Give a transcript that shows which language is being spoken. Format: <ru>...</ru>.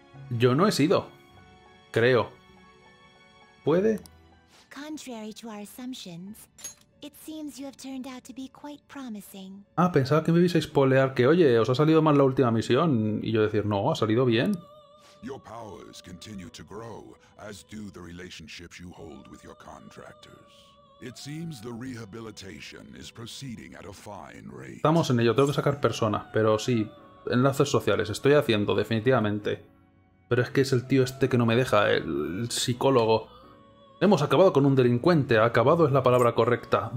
<es>Yo no he sido. Creo. ¿Puede? Ah, pensaba que me ibas a spoilear que, oye, os ha salido mal la última misión. Y yo decir, no, ha salido bien.</es> <en>Your powers continue to grow, as do the relationships you hold with your contractors. It seems the rehabilitation is proceeding at a fine rate.</en> <es>Estamos en ello, tengo que sacar persona, pero sí, enlaces sociales, estoy haciendo, definitivamente. Pero es que es el tío este que no me deja, el psicólogo. Hemos acabado con un delincuente, acabado es la palabra correcta.</es>